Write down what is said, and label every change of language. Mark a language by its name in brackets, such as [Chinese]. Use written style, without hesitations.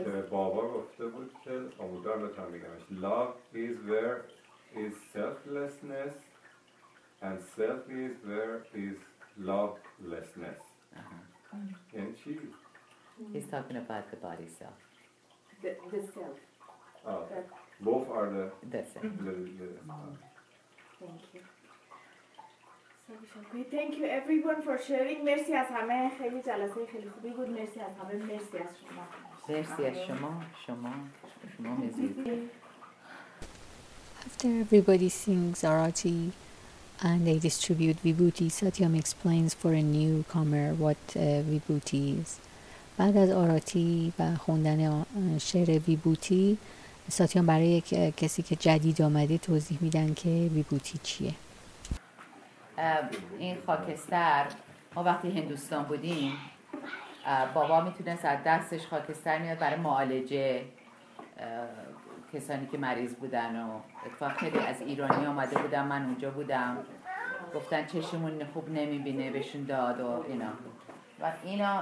[Persian] بابا گفته بود که آمودار بتونم بگمش [English] Love is where is selflessness, and self is where is lovelessness. Uh-huh. And she? He's talking about the body self. The self. Oh, both are the... That's it. Thank you. [Persian] خیلی شکریه. [English] Thank you everyone for sharing. [Persian] مرسی از همه. خیلی جلسه خیلی خوبی بود. مرسی از همه. مرسی از شما. مرسی از شما. شما مزید. [English] After everybody sings Arati and they distribute vibhuti, Satyam explains for a newcomer what vibhuti is. [Persian] بعد از آراتی و خوندن شعر ویبوتی، ساتیان برای کسی که جدید آمده توضیح میدن که ویبوتی چیه. این خاکستر، ما وقتی هندوستان بودیم بابا میتونست از دستش خاکستر میاد برای معالجه کسانی که مریض بودن و اتفاق خیلی از ایرانی آمده بودن، من اونجا بودم، گفتن چشمون خوب نمیبینه بهشون داد و اینا.